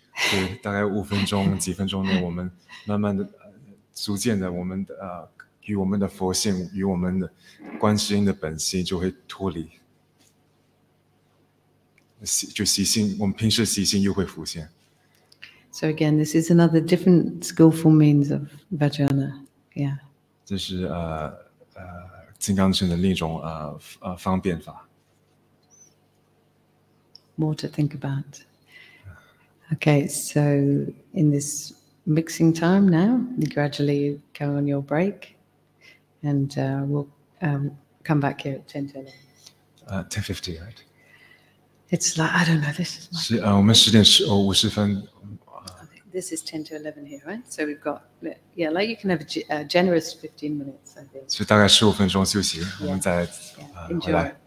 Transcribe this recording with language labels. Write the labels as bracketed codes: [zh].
[zh] 对，大概五分钟、几分钟内，我们慢慢的、逐渐的，我们与我们的佛性、与我们的观世音的本性就会脱离，习性，我们平时习性又会浮现。 [en] So again, this is another different skillful means of vajrayana. Yeah. [zh] 这是金刚乘的另一种方便法。 [en] More to think about. Okay, so in this mixing time now, you gradually go on your break, and we'll come back here at 10:30. 10:50, right? It's like, I don't know, this is my... [zh] 是我们十点十哦五十分。 [en] This is 10 to 11 here, right? So we've got, yeah, like you can have a generous 15 minutes, I think. [zh] 所以大概十五分钟休息，我们再回来。